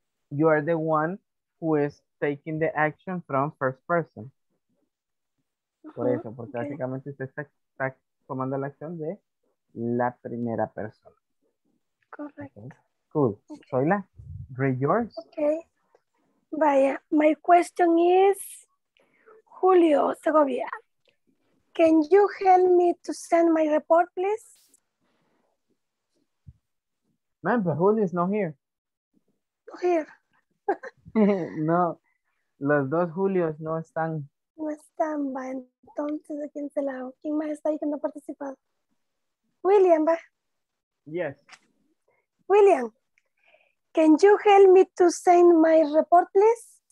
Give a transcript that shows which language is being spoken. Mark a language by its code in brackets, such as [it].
[en] You are the one who is taking the action from first person. [es] Por eso, porque básicamente usted está tomando la acción de la primera persona. Correcto. [en] Cool. Okay. Soila, read yours. Okay. Vaya, my question is, Julio Segovia, can you help me to send my report, please? Man, but Julio is not here. No here. [es] No, los dos Julios no están. No están, va, entonces, ¿a quién se la hago? ¿Quién más está ahí que no ha participado? William, va. [en] Yes. William, can you help me to send my report, please?